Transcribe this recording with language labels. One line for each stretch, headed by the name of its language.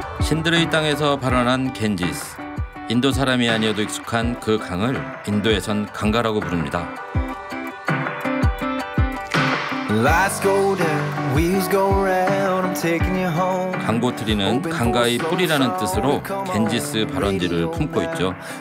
Korean: 신들의 땅에서 발원한 갠지스. 인도 사람이 아니어도 익숙한 그 강을 인도에선 강가라고 부릅니다.
English: Lights go down, wheels go round, I'm taking you home.
Korean: 강보트리는 강가의 뿌리라는 뜻으로 갠지스 발원지를 품고 있죠.